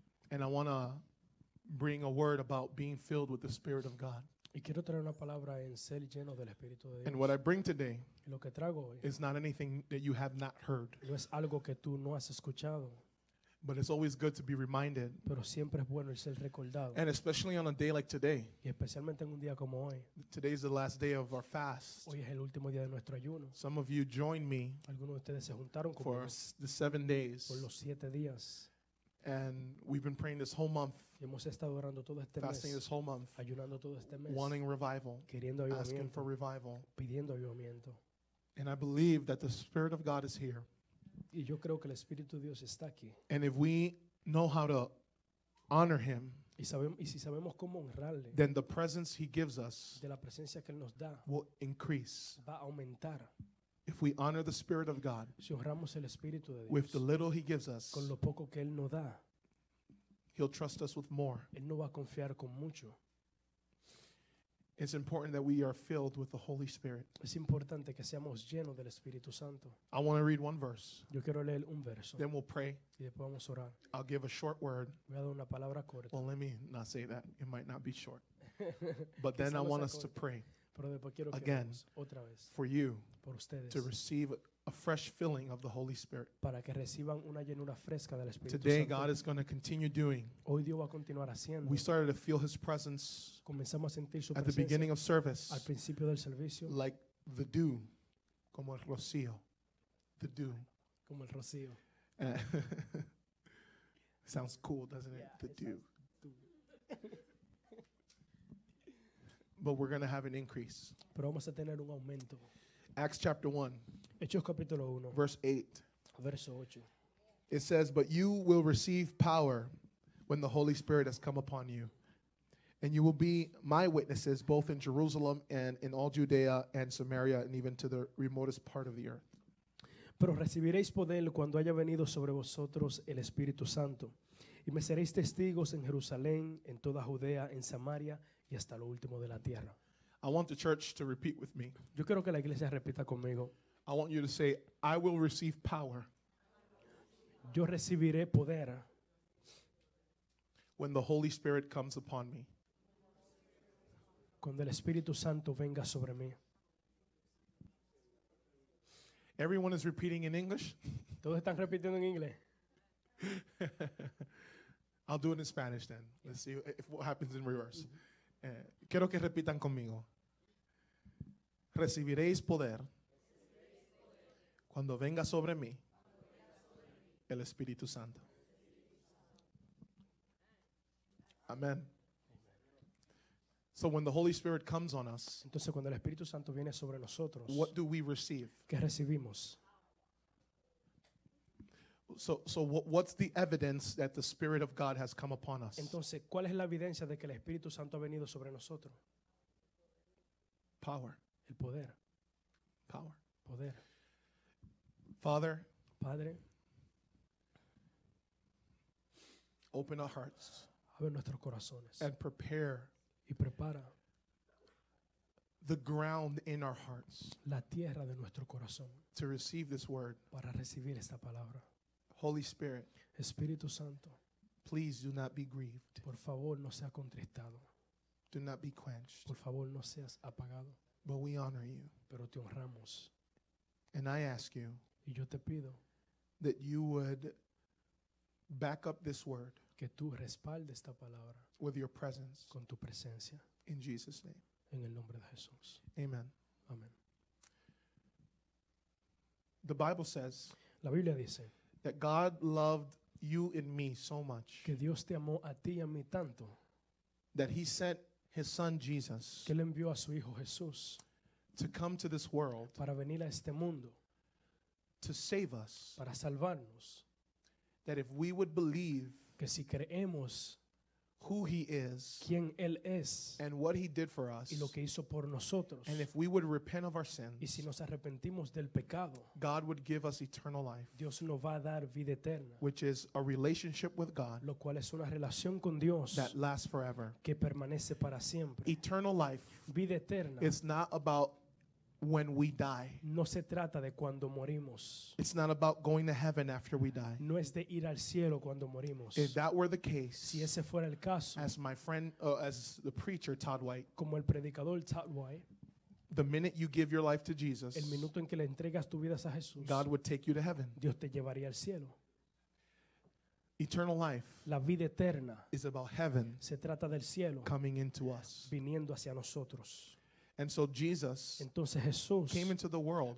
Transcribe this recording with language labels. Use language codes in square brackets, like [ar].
[en] And I want to bring a word about being filled with the Spirit of God. [es] Y quiero traer una palabra en ser lleno del Espíritu de Dios. [en] And what I bring today, [es] lo que trago hoy, [en] is not anything that you have not heard. [es] No es algo que tú no has escuchado. [en] But it's always good to be reminded. [es] Pero siempre es bueno ser recordado. [en] And especially on a day like today. [es] Y especialmente en un día como hoy. [en] Today is the last day of our fast. [es] Hoy es el último día de nuestro ayuno. [en] Some of you joined me. [es] Algunos de ustedes se juntaron conmigo. [en] For the 7 days. [es] Por los 7 días. [en] And we've been praying this whole month. [es] Y hemos estado orando todo este mes. [en] Fasting this whole month. [es] Ayunando todo este mes. [en] Wanting revival. [es] Queriendo ayunamiento. [en] Asking for revival. [es] Pidiendo ayunamiento. [en] And I believe that the Spirit of God is here. [es] Y yo creo que el Espíritu de Dios está aquí. [en] And if we know how to honor him. [es] Y si sabemos cómo honrarle. [en] Then the presence he gives us. [es] De la presencia que él nos da. [en] Will increase. [es] Va a aumentar. [en] If we honor the Spirit of God, [es] si honramos el Espíritu de Dios, [en] with the little he gives us, [es] con lo poco que él nos da, [en] he'll trust us with more. [es] Él no va a confiar con mucho. [en] It's important that we are filled with the Holy Spirit. [es] Es importante que seamos llenos del Espíritu Santo. [en] I want to read one verse. [es] Yo quiero leer un verso. [en] Then we'll pray. [es] Y después vamos a orar. [en] I'll give a short word. [es] Voy a dar una palabra corta. [en] Well, let me not say that. It might not be short. But then I want us to pray. [es] Pero después quiero [en] again, [es] otra vez [en] for you [es] por ustedes, [en] to receive a fresh filling of the Holy Spirit. [es] Para que reciban una llenura fresca del Espíritu [en] today, [es] Santo. [en] God is going to continue doing. [es] Hoy Dios va a continuar haciendo. [en] We started to feel his presence [es] comenzamos a sentir su presencia [en] at the beginning of service, [es] al principio del servicio, [en] like the dew, [es] como el rocío, [en] the dew. [es] Como el rocío. [en] Sounds cool, doesn't it? Yeah, the dew. But we're going to have an increase. [es] Pero vamos a tener un aumento. [en] Acts chapter 1. [es] Hechos capítulo 1. [en] Verse 8. [es] Verso 8. [en] It says, but you will receive power when the Holy Spirit has come upon you. And you will be my witnesses both in Jerusalem and in all Judea and Samaria and even to the remotest part of the earth. [es] Pero recibiréis poder cuando haya venido sobre vosotros el Espíritu Santo. Y me seréis testigos en Jerusalén, en toda Judea, en Samaria, y hasta lo último de la tierra. [en] I want the church to repeat with me. [es] Yo quiero que la iglesia repita conmigo. [en] I want you to say, I will receive power. [es] Yo recibiré poder. [en] When the Holy Spirit comes upon me. [es] Cuando el Espíritu Santo venga sobre mí. [en] Everyone is repeating in English. [es] Todos están repitiendo en inglés. [en] I'll do it in Spanish then. Let's see if what happens in reverse. [es] Quiero que repitan conmigo. Recibiréis poder cuando venga sobre mí el Espíritu Santo. [en] Amen. So when the Holy Spirit comes on us, [es] entonces cuando el Espíritu Santo viene sobre nosotros, [en] what do we receive? [es] ¿Qué recibimos? [en] So what's the evidence that the Spirit of God has come upon us? [es] Entonces, ¿cuál es la evidencia de que el Espíritu Santo ha venido sobre nosotros? [en] Power. [es] El poder. [en] Power. [es] Poder. [en] Father. [es] Padre. [en] Open our hearts. [es] Abre nuestros corazones. [en] And prepare. [es] Y prepara. [en] The ground in our hearts. [es] La tierra de nuestro corazón. [en] To receive this word. [es] Para recibir esta palabra. [en] Holy Spirit, [es] Espíritu Santo, [en] please do not be grieved. [es] Por favor, no sea contristado. [en] Do not be quenched. [es] Por favor, no seas apagado. [en] But we honor you. [es] Pero te honramos. [en] And I ask you, [es] y yo te pido, [en] that you would back up this word, [es] que tú respalde esta palabra, [en] with your presence, [es] con tu presencia, [en] in Jesus' name, [es] en el nombre de Jesús. [en] Amen. [es] Amen. [en] The Bible says, [es] la Biblia dice, [en] that God loved you and me so much, [es] que Dios te amó a ti y a mí tanto, [en] that he sent his son Jesus, [es] que él envió a su hijo Jesús, [en] to come to this world, [es] para venir a este mundo, [en] to save us, [es] para salvarnos, [en] that if we would believe, [es] que si creemos, [en] who he is, [es] quién él es, [en] and what he did for us, [es] y lo que hizo por nosotros, [en] and if we would repent of our sins, [es] y si nos arrepentimos del pecado, [en] God would give us eternal life, [es] Dios nos va a dar vida eterna, [en] which is a relationship with God, [es] lo cual es una relación con Dios, [en] that lasts forever, [es] que permanece para siempre. [en] Eternal life, [es] vida eterna, [en] is not about when we die. [es] No se trata de cuando morimos. [en] It's not about going to heaven after we die. [es] No es de ir al cielo cuando morimos. [en] If that were the case, [es] si ese fuera el caso, [en] as my friend, as the preacher Todd White, [es] como el predicador Todd White, [en] the minute you give your life to Jesus, [es] el minuto en que le entregas tu vida a Jesús, [en] God would take you to heaven. [es] Dios te llevaría al cielo. [en] Eternal life, [es] la vida eterna, [en] is about heaven, [es] se trata del cielo, [en] coming into us, [es] viniendo hacia nosotros. [en] And so Jesus, [es] entonces Jesús, [en] came into the world,